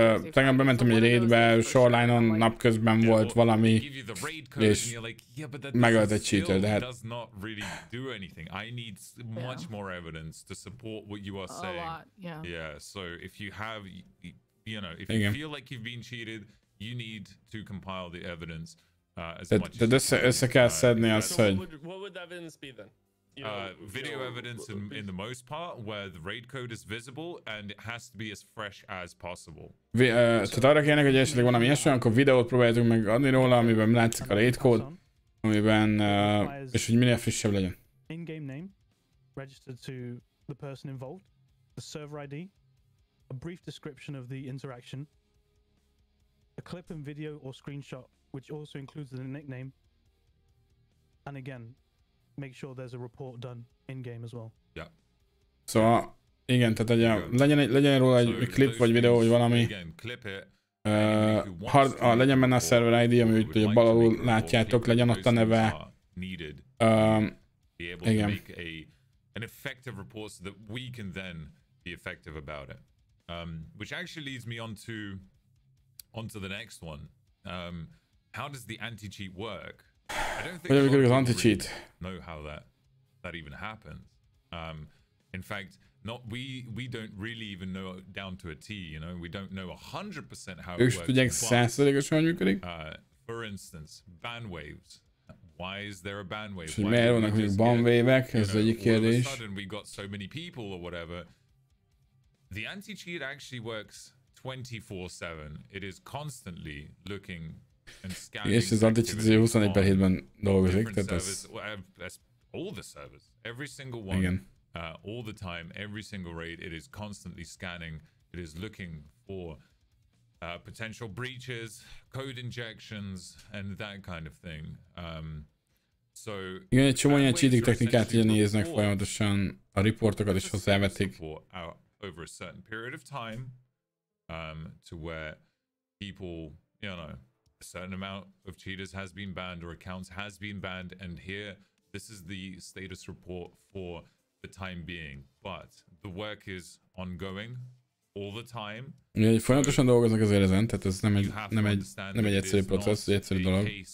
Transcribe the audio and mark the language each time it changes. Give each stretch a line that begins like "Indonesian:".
Hungarian: Tegnap bementem egy raidbe, shoreline-on napközben volt valami, és megölt egy cheater, de hát...
English: does not really do anything. I need much more evidence to support what you are saying. A lot, yeah. Yeah, so if you have... You know, if you feel like you've been cheated, you need to compile the evidence as much as you can.
Hungarian: Össze kell szedni azt, hogy...
English: What would the evidence be then? video evidence in the most part where the raid code is visible and it has to be as fresh as possible.
Hungarian: Tehát arra kérnek, hogy esetleg van ami ilyesmi, akkor videót próbáljátok meg adni róla, amiben látszik a raid code, amiben, és hogy minél frissebb legyen.
English: In-game name, registered to the person involved, the server ID, a brief description of the interaction, a clip and video or screenshot, which also includes the nickname, and again, make sure there's a report done in-game as well. Yeah.
Hungarian: So, igen, tehát ugye, legyen róla egy clip vagy videó, vagy valami. Legyen benne a server ID, ami úgy, hogy a bal alul látjátok, legyen ott a neve.
English: An effective report so that we can then be effective about it. Which actually leads me onto the next one. How does the anti-cheat work? I don't think anti cheat know how that even happens. In fact, not we don't really even know down to a T, you know, we don't know 100% how it works. For instance, band waves. Why is there a band wave? Why are we just getting, you know, all of a sudden we got so many people or whatever. The anti-cheat actually works 24/7. It is constantly looking and scanning the service, all the servers, every single one, all the time, every single raid. It is constantly scanning. It is looking for potential breaches, code injections, and that kind of thing. So,
Hungarian: igen, egy csomó ilyen cheating technikát ugye néznek folyamatosan a riportokat is hozzávetik.
English: Over a certain period of time, to where people, you know, a certain amount of cheaters has been banned or accounts has been banned, and here this is the status report for the time being. But the work is ongoing all the time.
Hungarian: Igen, folyamatosan dolgoznak azért ezen, tehát ez nem egy egyszerű process, egy egyszerű dolog.